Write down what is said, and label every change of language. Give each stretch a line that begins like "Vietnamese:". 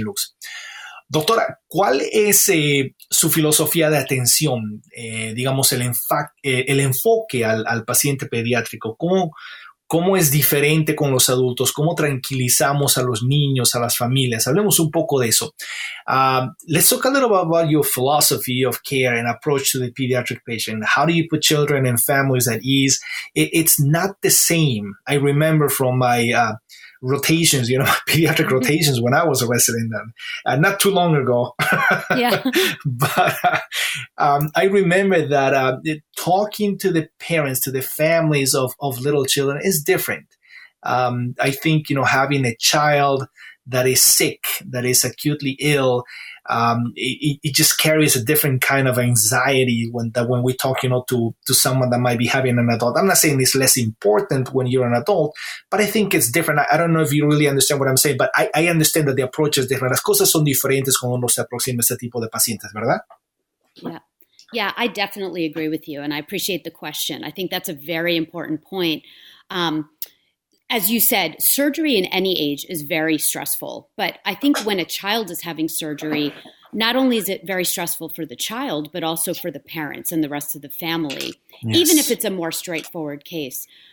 Spanish: Luke's. Doctora, ¿cuál es su filosofía de atención? Digamos, el enfoque al paciente pediátrico. ¿Cómo es diferente con los adultos? ¿Cómo tranquilizamos a los niños, a las familias? Hablemos un poco de eso.
English: Let's talk a little about your philosophy of care and approach to the pediatric patient. How do you put children and families at ease? It's not the same. I remember from my rotations, you know, my pediatric rotations when I was a resident, not too long ago. Yeah. But I remember that talking to the parents, to the families of little children is different. I think, you know, having a child that is sick, that is acutely ill, it just carries a different kind of anxiety when we talk, you know, to someone that might be having an adult. I'm not saying it's less important when you're an adult, but I think it's different. I don't know if you really understand what I'm saying, but I understand that the approach is different.
Spanish: Las cosas son diferentes cuando uno se aproxima a este tipo de pacientes, ¿verdad?
English: Yeah, I definitely agree with you, and I appreciate the question. I think that's a very important point. As you said, surgery in any age is very stressful. But I think when a child is having surgery, not only is it very stressful for the child, but also for the parents and the rest of the family, Yes. Even if it's a more straightforward case.